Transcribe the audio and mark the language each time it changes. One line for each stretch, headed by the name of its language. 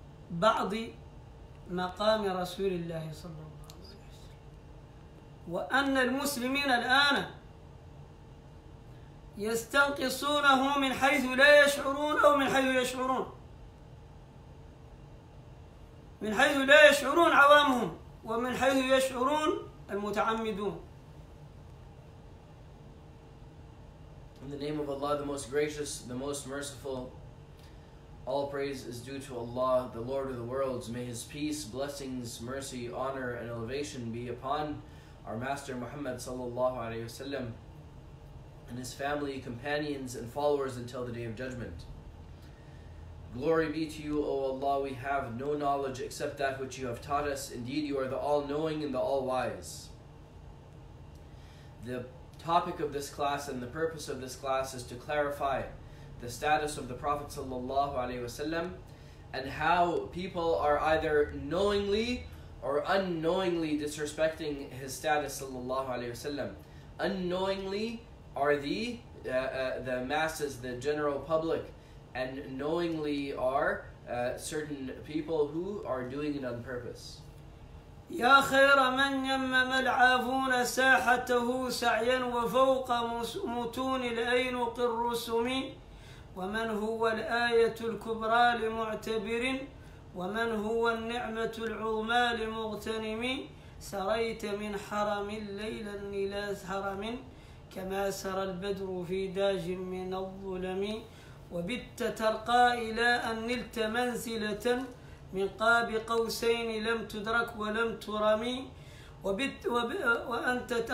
Arabic: بعض مقام رسول الله صلى الله عليه وسلم، وأن المسلمين الآن يستنقصونه من حيث لا يشعرون أو من حيث يشعرون، من حيث لا يشعرون عوامهم ومن حيث يشعرون المتعمدون.
English: In the name of Allah, the most gracious, the most merciful, all praise is due to Allah, the Lord of the worlds. May His peace, blessings, mercy, honor, and elevation be upon our Master Muhammad sallallahu alayhi wa sallam and his family, companions, and followers until the Day of Judgment. Glory be to you, O Allah, we have no knowledge except that which you have taught us. Indeed, you are the all-knowing and the all-wise. The topic of this class and the purpose of this class is to clarify the status of the Prophet sallallahu alayhi wa sallam and how people are either knowingly or unknowingly disrespecting his status sallallahu alayhi wa sallam. Unknowingly are the masses, the general public, and knowingly are certain people who are doing it on purpose.
Arabic: Ya khair man yammam al'afoon sahatahu sa'yan wa fawqa mutun al'ayn qirru sumi ومن هو الآية الكبرى لمعتبر ومن هو النعمة العظمى لمغتنم سريت من حرم الليل إلى حرم كما سرى البدر في داج من الظلم وبت ترقى إلى أن نلت منزلة من قاب قوسين لم تدرك ولم ترمي وأنت